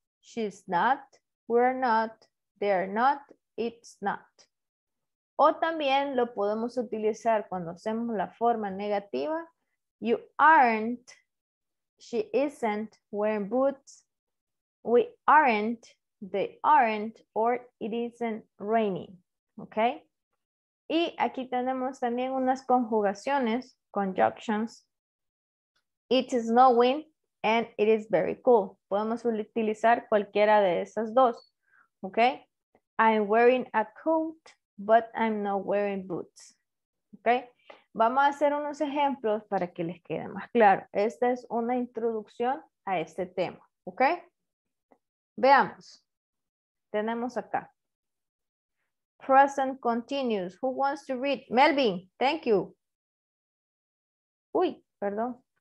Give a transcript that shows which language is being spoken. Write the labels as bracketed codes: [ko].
[en] She's not, we're not, they're not, it's not. [es] O también lo podemos utilizar cuando hacemos la forma negativa. [en] You aren't, she isn't wearing boots. We aren't, they aren't, or it isn't raining. [es] ¿Ok? Y aquí tenemos también unas conjugaciones, conjunctions. [en] It's snowing. And it is very cool. [es] Podemos utilizar cualquiera de esas dos. ¿Ok? [en] I'm wearing a coat, but I'm not wearing boots. [es] ¿Ok? Vamos a hacer unos ejemplos para que les quede más claro. Esta es una introducción a este tema. ¿Ok? Veamos. Tenemos acá. [en] Present continuous. Who wants to read? Melvin, thank you. [es] Uy, perdón.